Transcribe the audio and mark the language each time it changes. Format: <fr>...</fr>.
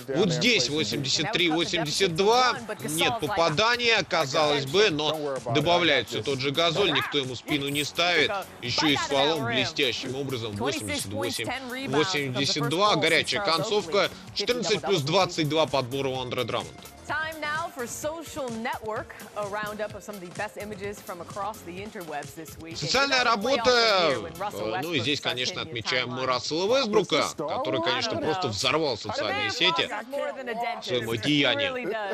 <ru>Вот здесь 83-82. Нет попадания, казалось бы, но добавляется тот же Газоль, никто ему спину не ставит. Еще и с фолом блестящим образом 88-82. Горячая концовка, 14 плюс 22 подбора у Андре Драммонда.</ru> <en>Time now for social network, a roundup of some of the best images from across the interwebs this week.</en> <ru>Социальная работа, ну и здесь, конечно, отмечаем мы Рассела Вестбрука, который, конечно, просто взорвал социальные сети своим одеянием.</ru>